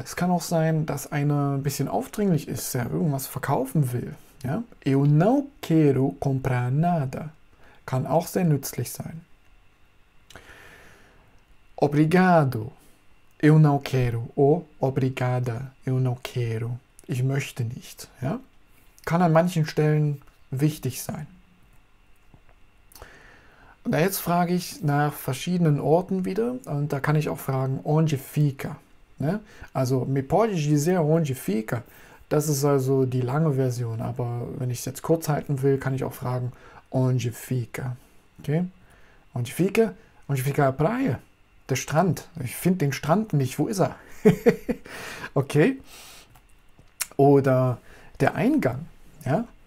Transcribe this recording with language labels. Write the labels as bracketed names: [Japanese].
[German] Es kann auch sein, dass einer ein bisschen aufdringlich ist, der irgendwas verkaufen will. Ja? [Portuguese] Eu não quero comprar nada. [German] Kann auch sehr nützlich sein. [Portuguese] Obrigado. Eu não quero. Oh, obrigada. Eu não quero. [German] Ich möchte nicht. Ja? Kann an manchen Stellen wichtig sein. Und jetzt frage ich nach verschiedenen Orten wieder und da kann ich auch fragen, [Portuguese] onde fica? [German] Ne? [Portuguese] Also, me pode dizer onde fica? [German] Das ist also die lange Version, aber wenn ich es jetzt kurz halten will, kann ich auch fragen, [Portuguese] onde fica? Okay? Onde fica? Onde fica a praia? [German] Der Strand. Ich finde den Strand nicht. Wo ist er? Okay? Oder der Eingang. Ja?